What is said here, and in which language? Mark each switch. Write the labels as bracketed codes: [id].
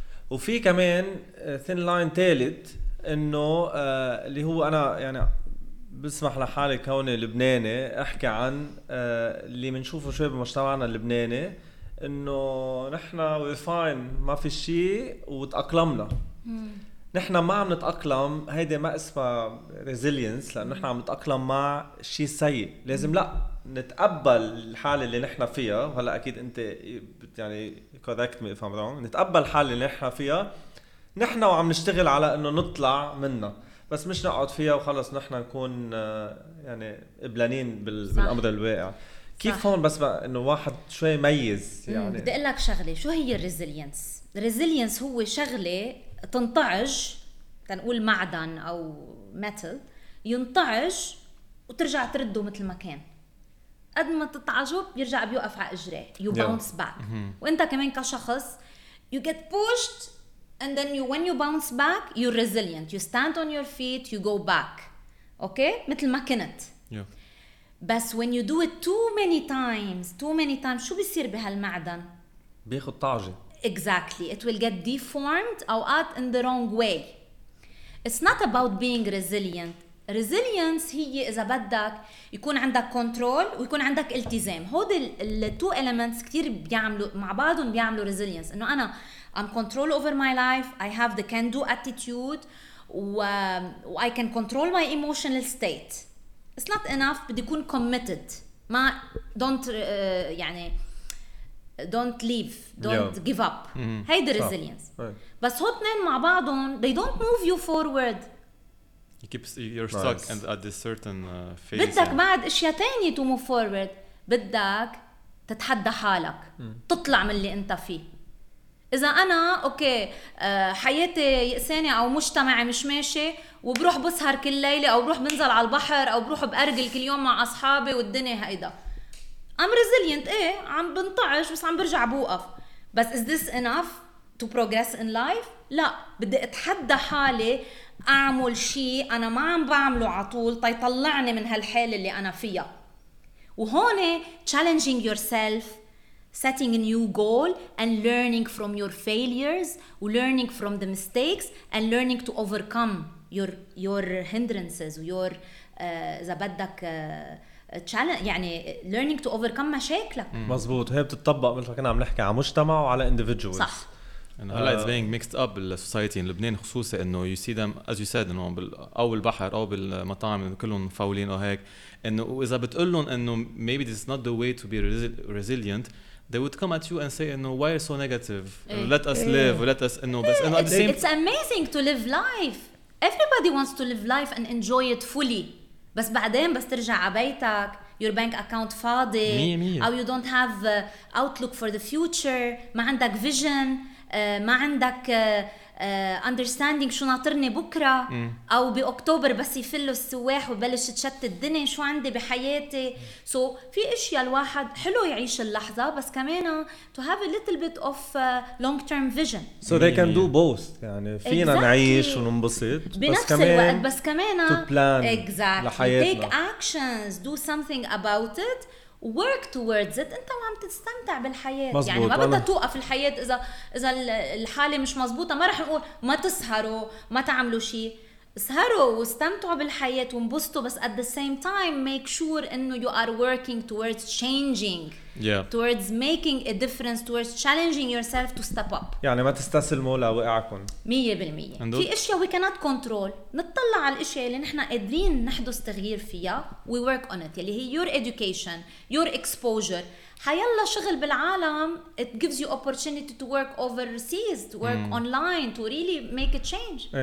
[ar] وفي كمان thin line ثالث إنه اللي هو أنا يعني بسمح لحالي كوني لبناني أحكي عن اللي منشوفه شوي بمجتمعنا اللبناني, إنه نحنا [en] we're fine, [ar] ما في شيء, وتأقلمنا. نحن ما عم نتأقلم, هيدا ما اسمه resilience, لأنه نحن عم نتأقلم مع شيء سيء. لازم لا نتقبل الحالة اللي نحن فيها. هلا أكيد أنت يعني [en] correct me if I'm wrong. [ar] نتقبل الحالة اللي نحن فيها, نحن وعم نشتغل على إنه نطلع منها, بس مش نقعد فيها وخلص نحن نكون يعني إبلانين بالأمر الواقع. كيف هون بس إنه واحد شوي ميز يعني. بدي أقول لك شغلة, شو هي resilience؟ resilience هو شغلة تنطعج, تنقول معدن أو metal ينطعج وترجع ترده مثل ما كان. قد ما تتعجه بيرجع بيوقف على إجريه, [en] you bounce back. [ar] وانت كمان كشخص [en] you get pushed and then you, when you bounce back you're resilient, you stand on your feet, you go back, okay, [ar] مثل ما كنت. [en] بس when you do it too many times [ar] شو بيصير بهالمعدن؟ بياخد طعجة. [en] Exactly, it will get deformed or out in the wrong way. It's not about being resilient. [ar] Resilience هي إذا بدك يكون عندك control ويكون عندك التزام. هودي ال two elements كتير بيعملوا مع بعضهم بيعملوا resilience. إنه أنا [en] I'm control over my life. I have the can do attitude. و I can control my emotional state. It's not enough. [ar] بدي يكون committed. [en] ما don't يعني don't leave, don't give up. [ar] هيدا resilience. [en] Right. [ar] بس هوتنين مع بعضهم, [en] they don't move you forward. You're stuck and at this certain phase. [ar] بدك بعد اشياء تانية [en] to move forward. [ar] بدك تتحدى حالك. تطلع من اللي انت فيه. اذا انا اوكي حياتي يأساني او مجتمعي مش ماشي وبروح بسهر كل ليلة او بروح بنزل على البحر او بروح بأرجل كل يوم مع اصحابي والدنيا هيدا. [en] I'm resilient. [ar] إيه, عم بنطعج بس عم برجع بوقف. [en] بس is this enough to progress in life? [ar] لا, بدي اتحدى حالي اعمل شيء انا ما عم بعمله عطول طيطلعني من هالحالة اللي انا فيها. [en] وهون challenging yourself, setting a new goal and learning from your failures و learning from the mistakes and learning to overcome your hindrances your [ar] إذا بدك [en] challenge, يعني learning to overcome مشاكلك. [ar] مظبوط, هي بتتطبق مثل ما كنا عم نحكي على مجتمع وعلى individuals. صح. [en] And هلا it's being mixed up in the society in Lebanon, [ar] خصوصا انه [en] you see them as you said [ar] انه او البحر او بالمطاعم كلهم فاولين او هيك, انه واذا بتقول لهم انه [en] maybe this is not the way to be resilient they would come at you and say انه why are you so negative, let us live, let us [ar] انه بس انه [en] it's amazing to live life, everybody wants to live life and enjoy it fully. [ar] بس بعدين بس ترجع عبيتك [en] your bank account [ar] فاضي أو [en] you don't have outlook for the future, [ar] ما عندك vision, ما عندك understanding شو ناطرني بكرة أو بأكتوبر بس يفلوا السواح وبلش تشتت الدنيا شو عندي بحياتي. So في إشياء الواحد حلو يعيش اللحظة بس كمان [en] to have a little bit of long term vision. So they can do both, [ar] يعني فينا نعيش وننبسط بنفس الوقت بس كمان [en] to plan [ar] لحياتنا, [en] take actions, do something about it, work towards it. [ar] انت وعم تستمتع بالحياة, يعني ما بدها توقف الحياة. اذا الحالة مش مزبوطة ما رح نقول ما تسهروا ما تعملوا شيء. سهروا واستمتعوا بالحياة وانبسطوا بس [en] at the same time make sure أنه you are working towards changing towards making a difference towards challenging yourself to step up. [ar] يعني ما تستسلموا لوقعكم [en] 100% في أشياء we cannot control. [ar] نطلع على الأشياء اللي نحن قادرين نحدث تغيير فيها [en] we work on it [ar] اللي هي [en] your education your exposure. [ar] حيلا شغل بالعالم [en] it gives you opportunity to work overseas to work online to really make a change.